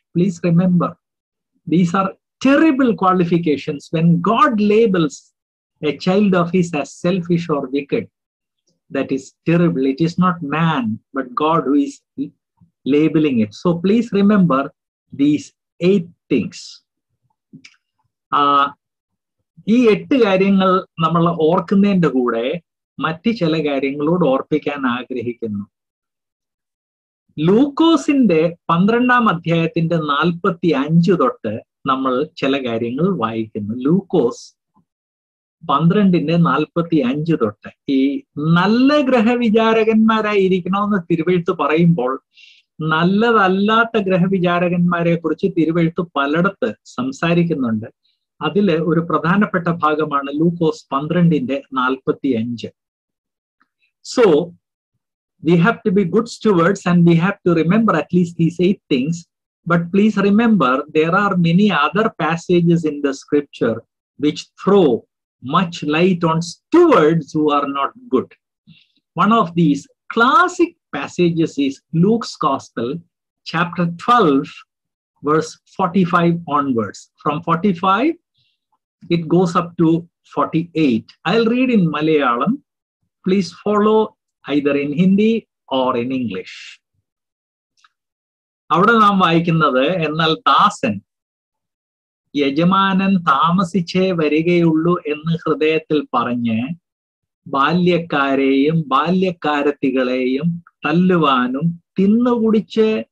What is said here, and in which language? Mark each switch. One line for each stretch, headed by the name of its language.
English: Please remember, these are terrible qualifications. When God labels a child of his as selfish or wicked, that is terrible. It is not man but God who is labeling it. So please remember these 8 things.
Malayalam: ഈ 8 കാര്യങ്ങൾ നമ്മൾ ഓർക്കുന്നതിൻ്റെ കൂടെ മറ്റ് ചില കാര്യങ്ങളോട് ഓർപ്പിക്കാൻ ആഗ്രഹിക്കുന്നു. ലൂക്കോസിൻ്റെ 12 അധ്യായത്തിൻ്റെ 45 തൊട്ട് നമ്മൾ ചില കാര്യങ്ങൾ വായിക്കുന്നു. ലൂക്കോസ് 12:45 ഈ നല്ല ഗ്രഹവിചാരകന്മാരായി ഇരിക്കണമെന്ന് തിരുവെഴുത്ത് പറയുമ്പോൾ നല്ലതല്ലാത്ത ഗ്രഹവിചാരകന്മാരെ കുറിച്ച് തിരുവെഴുത്ത് പലയിടത്ത് സംസാരിക്കുന്നുണ്ട്. അതിൽ ഒരു പ്രധാനപ്പെട്ട ഭാഗമാണ് ലൂക്കോസ് 12:45.
English: So we have to be good stewards and we have to remember at least these 8 things. But please remember there are many other passages in the scripture which throw much light on stewards who are not good. One of these classic passages is Luke's Gospel, chapter 12, verse 45 onwards. From 45, it goes up to 48. I'll read in Malayalam. Please follow either in Hindi or in English.
Malayalam: അവിടെ നാം വായിക്കുന്നത്, എന്നാൽ ദാസൻ യജമാനൻ താമസിച്ചേ വരികയുള്ളൂ എന്ന് ഹൃദയത്തിൽ പറഞ്ഞ് ബാല്യക്കാരെയും ബാല്യക്കാരത്തികളെയും തല്ലുവാനും തിന്നുകുടിച്ച്